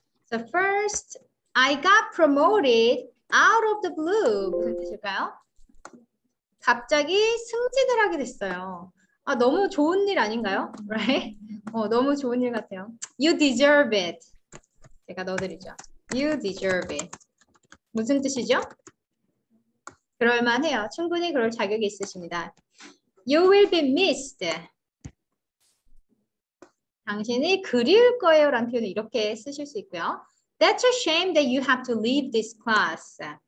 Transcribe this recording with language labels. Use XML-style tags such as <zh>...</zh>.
<en>The first, I got promoted out of the blue.</en> <ko>무슨 뜻일까요? 갑자기 승진을 하게 됐어요. 아, 너무 좋은 일 아닌가요?</ko> <en>Right?</en> <ko>너무 좋은 일 같아요.</ko> <en>You deserve it.</en> <ko>제가 넣어드리죠. You deserve it. 무슨 뜻이죠? 그럴만해요. 충분히 그럴 자격이 있으십니다.</ko> <en>You will be missed.</en> <ko>당신이 그리울 거예요 라는 표현을 이렇게 쓰실 수 있고요.</ko> <en>That's a shame that you have to leave this class.</en>